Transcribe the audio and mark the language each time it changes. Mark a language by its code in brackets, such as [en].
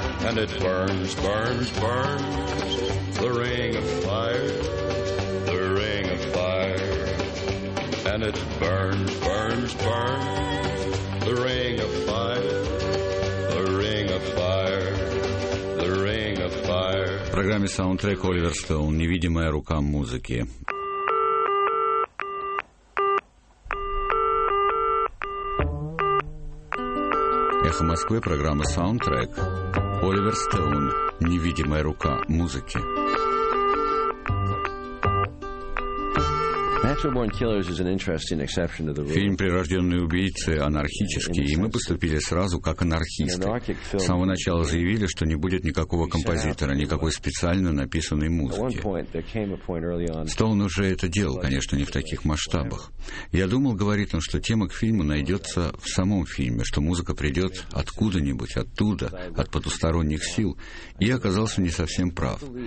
[en] And it burns, burns, burns, the ring of fire, the ring of fire. And it burns, burns, burns, the ring of fire, the ring of fire, the ring of fire. [ru] В программе саундтрек Оливер Стоун «Невидимая рука музыки». Эхо Москвы, программа «Саундтрек». Оливер Стоун «Невидимая рука музыки». [en] Natural Born Killers is an interesting exception to the rule. [ru] Фильм «Прирожденные убийцы» анархический, и мы поступили сразу как анархисты. С самого начала заявили, что не будет никакого композитора, никакой специально написанной музыки. Стоун уже это делал, конечно, не в таких масштабах. Я думал, говорит он, что тема к фильму найдется в самом фильме, что музыка придет откуда-нибудь, оттуда, от потусторонних сил, и оказался не совсем прав.